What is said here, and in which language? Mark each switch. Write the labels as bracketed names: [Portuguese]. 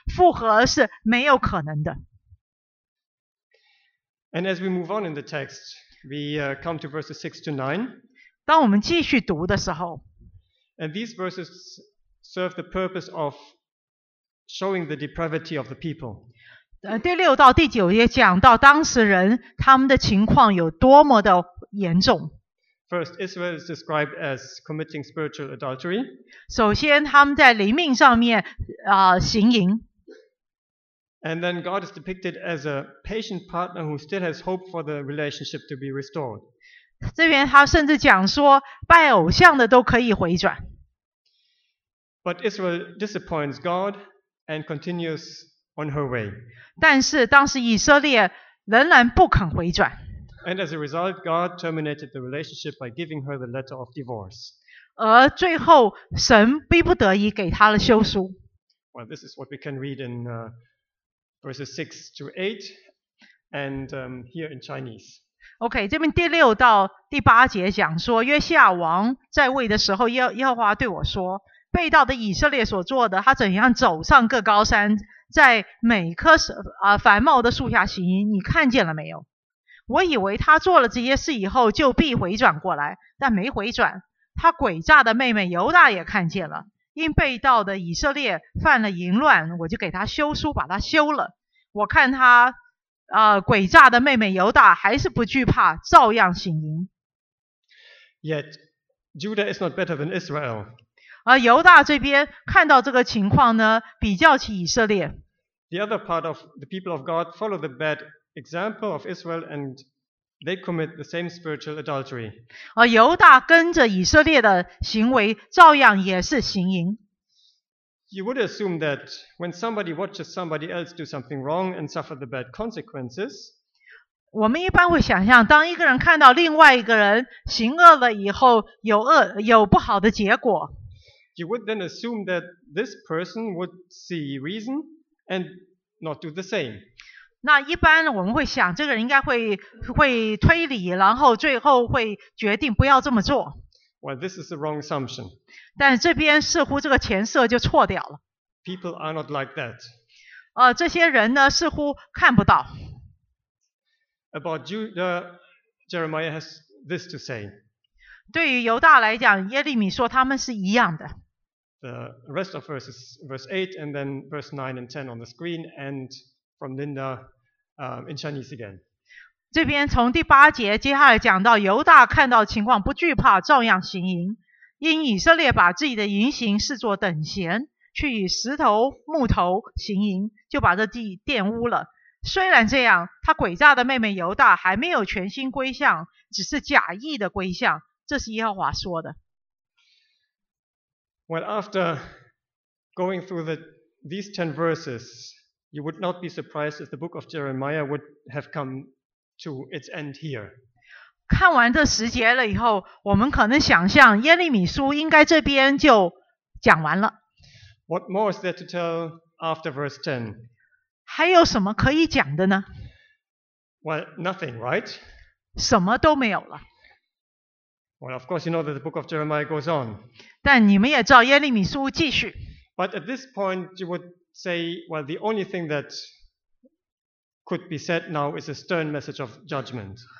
[Chinese] 复合是没有可能的。 [English] And as we move on in the text, we come to verses 6 to 9. [Chinese] 当我们继续读的时候， [English] And these verses serve the purpose of showing the depravity of the people. [Chinese] 第六到第九也讲到当时人他们的情况有多么的严重。 [English] First, Israel is described as committing spiritual adultery. [Chinese] 首先他们在灵命上面行淫。 [English] And then God is depicted as a patient partner who still has hope for the relationship to be restored. [Chinese] 这边他甚至讲说拜偶像的都可以回转。 [English] But Israel disappoints God and continues on her way. [Chinese] 但是当时以色列仍然不肯回转。 [English] And as a result, God terminated the relationship by giving her the letter of divorce. [Chinese] 而最后神逼不得已给她了休书。 [English] Well, this is what we can read in verses 6 to 8 and here in Chinese. [Chinese] OK, 这边第六到第八节讲说，约西亚王在位的时候，耶和华对我说，被盗的以色列所做的，他怎样走上各高山，在每棵繁茂的树下行营，你看见了没有？我以为他做了这些事以后就必回转过来，但没回转。他诡诈的妹妹犹大也看见了，因被盗的以色列犯了淫乱，我就给他休书把他休了。我看他诡诈的妹妹犹大还是不惧怕，照样行淫。 [English] Yet Judah is not better than Israel. [Chinese] 犹大这边看到这个情况呢，比较起以色列。 [English] The other part of the people of God follow the bad example of Israel and they commit the same spiritual adultery. [Chinese] 犹大跟着以色列的行为，照样也是行淫。 [English] You would assume that when somebody watches somebody else do something wrong and suffer the bad consequences, [Chinese] 我们一般会想象，当一个人看到另外一个人行恶了以后，有不好的结果。 [English] You would then assume that this person would see reason and not do the same. [Chinese] 那一般我们会想，这个人应该会推理，然后最后会决定不要这么做。 [English] Well, this is the wrong assumption. [Chinese] 但这边似乎这个前设就错掉了。 [English] People are not like that. [Chinese] 这些人呢似乎看不到。 [English] About Judah, Jeremiah has this to say. [Chinese] 对于犹大来讲，耶利米说他们是一样的。 [English] The rest of verses, verse 8 and then verse 9 and 10 on the screen and from Linda, in Chinese again. [Chinese] 这边从第八节接下来讲到，犹大看到情况不惧怕，照样行淫，因以色列把自己的淫行视作等闲，去与石头木头行淫，就把这地玷污了。虽然这样，他诡诈的妹妹犹大还没有全心归向，只是假意的归向，这是耶和华说的。 [English] Well, after going through these 10 verses, you would not be surprised if the book of Jeremiah would have cometo its end here. [Chinese] 看完这十节了以后，我们可能想象耶利米书应该这边就讲完了。 [English] What more is there to tell after verse 10? [Chinese] 还有什么可以讲的呢？ [English] Well, nothing, right? [Chinese] 什么都没有了。 [English] Well, of course you know that the book of Jeremiah goes on. [Chinese] 但你们也知道耶利米书继续。 [English] But at this point you would say, well, the only thing thatcould be said now is a stern message of judgment.